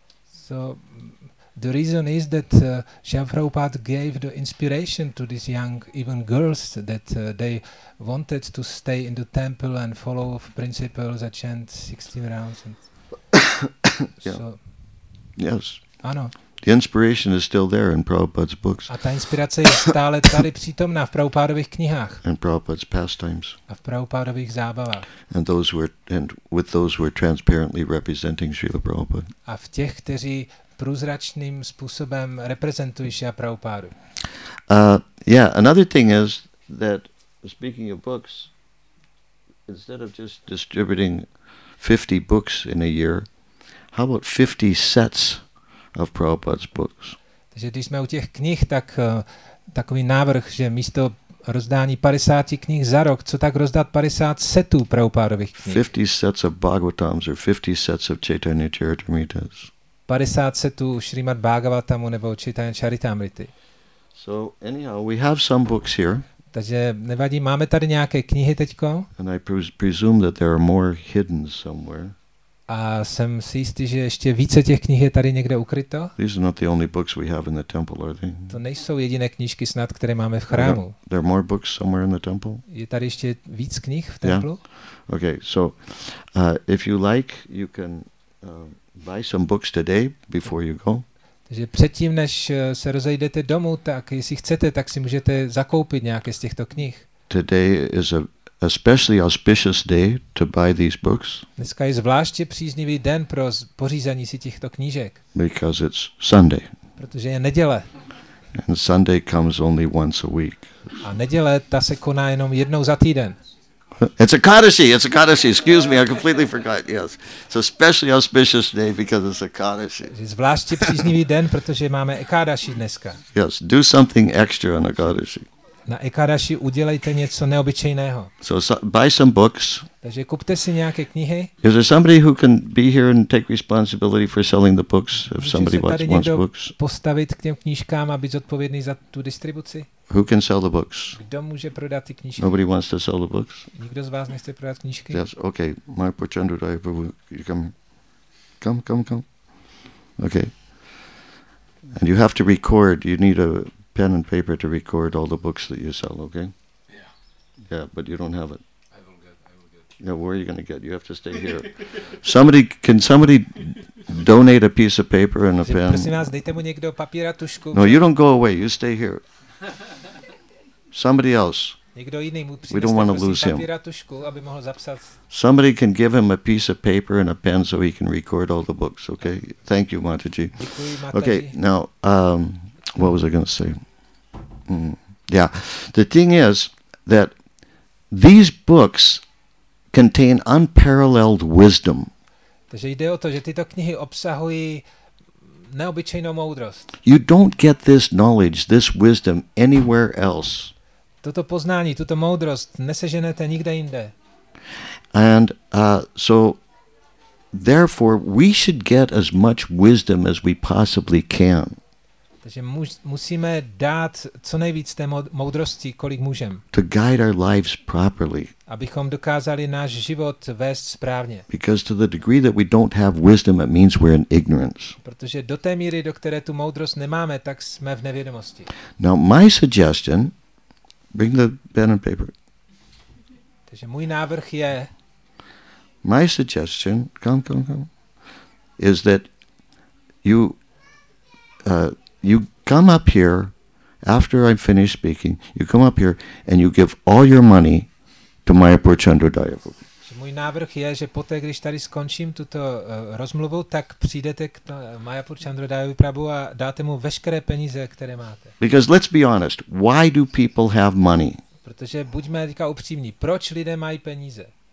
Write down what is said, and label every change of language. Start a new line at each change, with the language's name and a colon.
English: So the reason is that Srila Prabhupada gave the inspiration to these young, even girls, that they wanted to stay in the temple and follow principles and chant 16 rounds. And yeah. So yes.
Czech: Ano.
English: The inspiration is still there in Prabhupada's books.
Czech: A ta inspirace je stále tady přítomná v Prabhupádových knihách.
English: In Prabhupada's pastimes.
Czech: A v Prabhupádových zábavách.
English: And those were and with those were transparently representing Srila Prabhupada.
Czech: A v těch, kteří průzračným způsobem reprezentují Srila Prabhupádu.
English: Yeah, another thing is that speaking of books, instead of just distributing 50 books in a year, how about 50 sets of Prabhupada's books.
Czech: Takže když jsme u těch knih, tak takový návrh, že místo rozdání 50 knih za rok, co tak rozdat 50 setů Prabhupádových knih.
English: 50 sets of Bhagavatams or 50 sets of Chaitanya Charitamritas.
Czech: 50 setů Srimad Bhagavatamu nebo Chaitanya Charitamriti.
English: So anyhow, we have some books here.
Czech: Takže nevadí, máme tady nějaké knihy teďko.
English: And I presume that there are more hidden somewhere.
Czech: A jsem si jistý, že ještě více těch knih je tady někde ukryto.
English: These are not the only books we have in the temple, are they?
Czech: To nejsou jediné knížky snad, které máme v chrámu.
English: There are more books somewhere in the temple?
Czech: Je tady ještě víc knih v templu?
English: Yeah. Okay, so if you like, you can buy some books today before you go.
Czech: Takže předtím, než se rozejdete domů, tak jestli chcete, tak si můžete zakoupit nějaké z těchto knih.
English: Today is a especially auspicious day to buy these books.
Czech: Dneska je zvláště příznivý den pro pořízení si těchto knížek.
English: Because it's Sunday.
Czech: Protože je neděle.
English: And Sunday comes only once a week.
Czech: A neděle ta se koná jenom jednou za týden.
English: It's a Kadashi. Excuse me, I completely forgot. Yes. It's a specially auspicious day because it's a Kadashi.
Czech: Je zvláště příznivý den, protože máme Ekadashi dneska.
English: Yes, do something extra on a Kadashi.
Czech: Na Ekadashi udělejte něco neobyčejného.
English: So buy some books.
Czech: Takže kupte si nějaké knihy.
English: Is there somebody who can be here and take responsibility for selling the books if somebody wants books?
Czech: Můžete se tady někdo postavit k těm knížkám a být zodpovědný za tu distribuci?
English: Who can sell the books?
Czech: Kdo může prodat ty knížky?
English: Nobody wants to sell the books.
Czech: Nikdo z vás nechce prodat knížky?
English: Yes, okay. My Pochandra Daya Prabhu, you come. Okay. And you have to record. You need a pen and paper to record all the books that you sell, okay? Yeah. Yeah, but you don't have it. I will get. Yeah, where are you going to get? You have to stay here. Can somebody donate a piece of paper and a pen?
Czech: Prosím vás, dejte mu někdo papír a tušku.
English: No, you don't go away. You stay here. Somebody else.
Czech: Někdo jiný mu přineste.
English: We don't want to lose him.
Czech: Papír a tušku, aby mohl zapsat.
English: Somebody can give him a piece of paper and a pen so he can record all the books, okay? Thank you, Mataji.
Czech: Děkuji, Mataji.
English: Okay, now what was I going to say? Yeah. The thing is that these books contain unparalleled wisdom.
Czech: Takže jde o to, že tyto knihy obsahují neobyčejnou moudrost.
English: You don't get this knowledge, this wisdom anywhere else.
Czech: Toto poznání, tuto moudrost neseženete nikde jinde.
English: And so therefore we should get as much wisdom as we possibly can.
Czech: Takže musíme dát co nejvíc té moudrosti, kolik můžeme.
English: To guide our lives properly.
Czech: Abychom dokázali náš život vést správně.
English: Because to the degree that we don't have wisdom, it means we're in ignorance.
Czech: Protože do té míry, do které tu moudrost nemáme, tak jsme v nevědomosti.
English: Now my suggestion, bring the pen and paper.
Czech: Takže můj návrh je.
English: My suggestion, come, is that you come up here after I'm finished speaking. You come up here and you give all your money to Maya Purchandra Dayavu.
Czech: Můj návrh je, že poté, když tady skončím tuto rozmluvu, tak přijdete k Maya Purchandra Dayavu Prabhu a dáte mu veškeré peníze, které máte.
English: Because let's be honest, why do people have money?
Czech: Protože buďme teďka upřímní, proč lidé mají peníze?